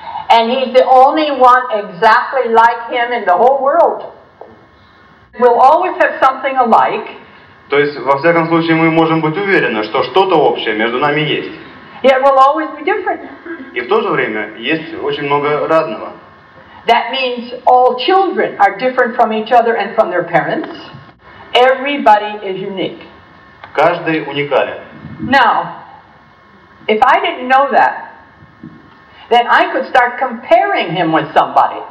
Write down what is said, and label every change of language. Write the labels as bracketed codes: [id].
[en] And he's the only one exactly like him in the whole world. We'll always have something alike. [ru] То есть, во всяком случае, мы можем быть уверены, что что-то общее между нами есть. [en] Yet we'll always be different. [ru] И в то же время есть очень много разного. [en] That means all children are different from each other and from their parents. Everybody is unique. [ru] Каждый уникален. [en] Now, if I didn't know that, then I could start comparing him with somebody.